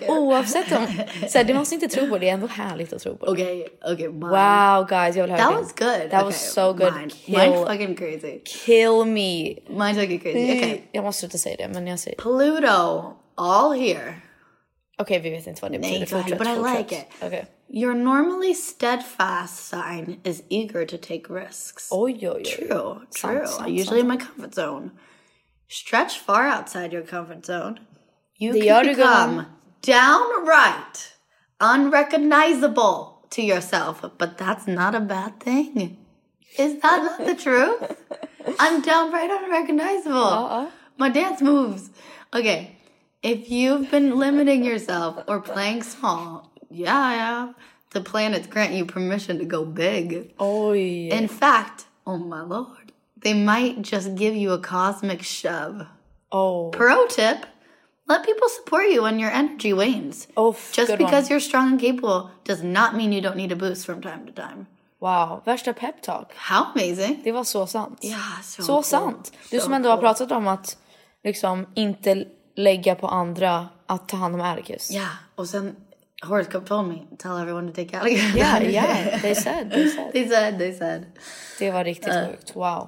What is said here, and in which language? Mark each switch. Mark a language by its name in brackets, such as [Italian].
[Swedish] Men oavsett om, så här, du måste inte tro på det. Det är ändå härligt att tro på det. [English] Okay, wow, guys. [Swedish] Jag vill [English] höra. That was good. That was so good. Mine fucking crazy. Kill me. Mine's fucking crazy. Okay. [Swedish] Jag måste sluta säga det, men jag säger [English] Pluto, all here. [Swedish] Okay, we vet inte vad det betyder. Nej, fortsätt, [English] but I like it. Okay. Your normally steadfast sign is eager to take risks. Oh, true. Usually in my comfort zone. Stretch far outside your comfort zone. You can become downright unrecognizable to yourself, but that's not a bad thing. Is that not the truth? I'm downright unrecognizable. My dance moves. Okay. If you've been limiting yourself or playing small, the planets grant you permission to go big. Oh, yeah. In fact, oh, my Lord, they might just give you a cosmic shove. Oh. Pro tip, let people support you when your energy wanes. Oh, just good because one. You're strong and capable does not mean you don't need a boost from time to time. [Swedish] Wow, värsta pep talk. [English] How amazing. [Swedish] Det var så sant. Ja, så cool. Sant. Du som ändå har pratat om att liksom inte... lägga på andra att ta hand om Atticus. Ja, och sen [English] horoscope told me, tell everyone to take Atticus. They said. [Swedish] Det var riktigt sjukt, wow.